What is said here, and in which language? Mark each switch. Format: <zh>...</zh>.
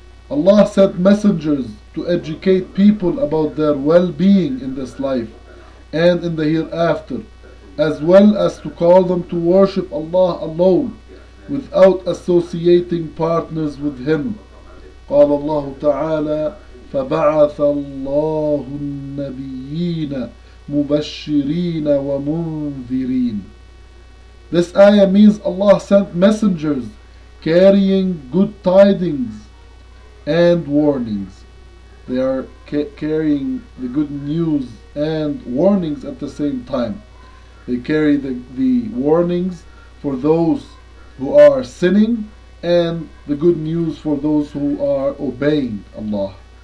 <en>Allah sent messengers to educate people about their well-being in this life and in the hereafter, as well as to call them to worship Allah alone without associating partners with Him.</en> <ar>قال الله تعالى فبعث الله النبيين مبشرين ومنذرين.</ar> <en>This ayah means Allah sent messengers carrying good tidings and warnings. They are carrying the good news and warnings at the same time. They carry the warnings for those who are sinning and the good news for those who are obeying Allah.</en>